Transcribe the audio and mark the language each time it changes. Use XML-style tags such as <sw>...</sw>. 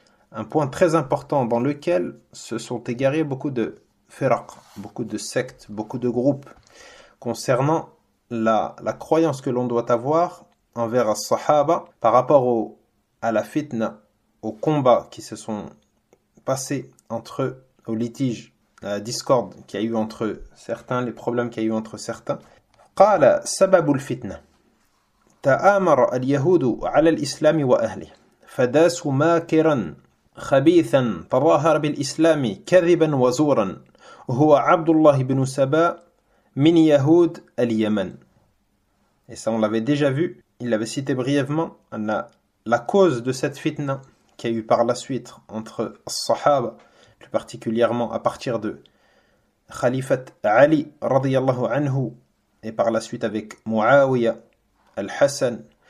<fr>Un point très important dans lequel se sont égarés beaucoup de firaq, beaucoup de sectes, beaucoup de groupes, concernant la croyance que l'on doit avoir envers al-sahaba par rapport à la fitna, aux combats qui se sont passés entre eux, aux litiges, à la discorde qu'il y a eu entre certains, les problèmes qu'il y a eu entre certains.</fr> <ar>Qala sababul fitna. تآمر اليهود على الإسلام وأهله فداسوا ماكرا خبيثا تظاهر بالإسلام كذبا وزورا هو عبد الله بن سبا من يهود اليمن.</ar> <fr>Et ça, on l'avait déjà vu, il l'avait cité brièvement, la cause de cette fitna qui a eu par la suite entre as-sahaba, plus particulièrement à partir de Khalifat Ali radiyallahu anhu, et par la suite avec Muawiyah Al-Hassan.</fr>